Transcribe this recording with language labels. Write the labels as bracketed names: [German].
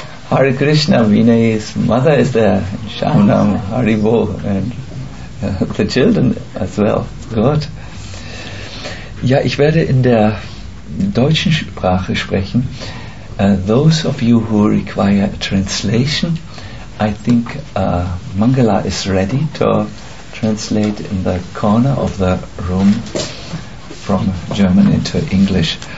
[English] Hare Krishna, Vinay's mother is there, Shanam, Haribo, and the children as well. Good. [German] Ja, ich werde in der deutschen Sprache sprechen. [English] Those of you who require a translation, I think Mangala is ready to translate in the corner of the room from German into English.